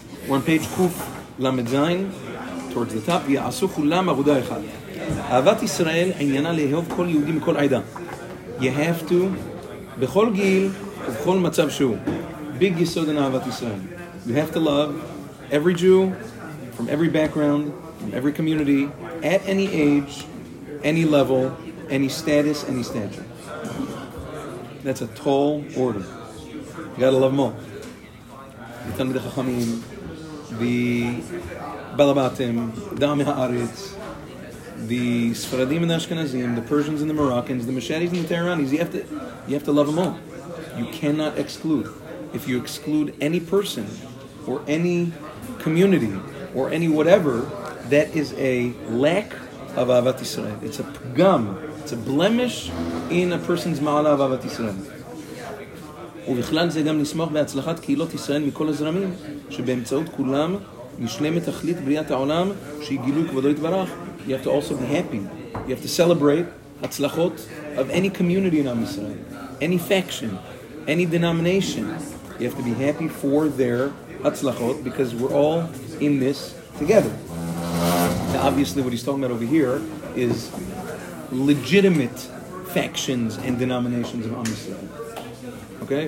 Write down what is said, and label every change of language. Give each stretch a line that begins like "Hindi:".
English: One page
Hebrew: קוף, למד זין,
English: towards the top,
Hebrew: יעשו כולם עבודה אחת. אהבת ישראל עניינה לאהוב כל יהודי מכל עדה.
English: You have to,
Hebrew: בכל גיל ובכל מצב שהוא.
English: Big יסוד in אהבת ישראל. You have to love every Jew, from every background, from every community, at any age, any level, any status, any stature. That's a tall order. You gotta love them all. The Talmidei Chachamim, the Balabatim, Dami Haaretz, the Sfaradim and the Ashkenazim, the Persians and the Moroccans, the Meshadis and the Tehranis, you have to love them all. You cannot exclude. If you exclude any person, or any community, or any whatever, that is a lack of Ahavat Yisrael. It's a pgam. It's a blemish in a person's ma'ala of Ahavat Yisrael.
Hebrew: ובכלל זה גם נשמח בהצלחת קהילות ישראל מכל הזרמים, שבאמצעות כולם נשלמת תכלית בריאת העולם, שיגילו כבודו יתברך.
English: You have to also be happy. You have to celebrate הצלחות of any community in Am Yisrael, any faction, any denomination. You have to be happy for their הצלחות, because we're all in this together. Now, obviously, what he's talking about over here is legitimate factions and denominations of Am Yisrael. Okay?